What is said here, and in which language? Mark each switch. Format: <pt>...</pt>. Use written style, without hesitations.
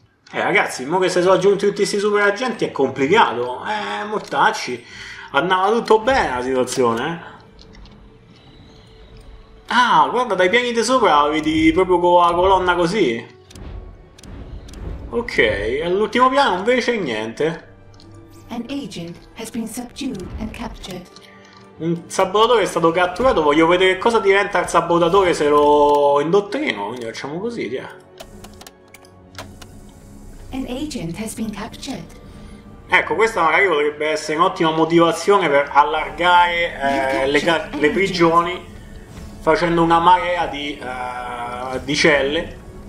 <it>Ragazzi, mo che si sono aggiunti tutti questi super agenti è complicato. Mortacci. Andava tutto bene la situazione, eh? Ah, guarda, dai piani di sopra vedi proprio con la colonna così. Ok, all'ultimo piano invece niente.</it> <en>An agent has been subdued and captured.</en> <it>Un sabotatore è stato catturato, voglio vedere cosa diventa il sabotatore se lo indottrino, quindi facciamo così, tia.</it> <en>An agent has been captured.</en> <it>Ecco, questa magari potrebbe essere un'ottima motivazione per allargare le prigioni facendo una marea di celle.</it>